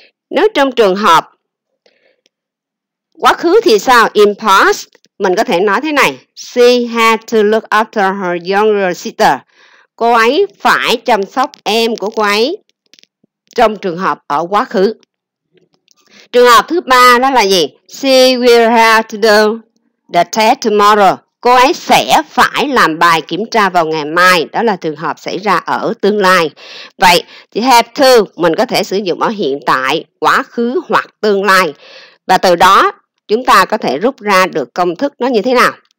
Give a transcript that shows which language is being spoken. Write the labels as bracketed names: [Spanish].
[Vietnamese] Nếu trong trường hợp quá khứ thì sao? [English] In past, [Vietnamese] mình có thể nói thế này. [English] She had to look after her younger sister. [Vietnamese] Cô ấy phải chăm sóc em của cô ấy trong trường hợp ở quá khứ. Trường hợp thứ ba đó là gì? [English] She will have to do the test tomorrow. [Vietnamese] Cô ấy sẽ phải làm bài kiểm tra vào ngày mai. Đó là trường hợp xảy ra ở tương lai. Vậy, thì have to mình có thể sử dụng ở hiện tại, quá khứ hoặc tương lai. Và từ đó, chúng ta có thể rút ra được công thức nó như thế nào?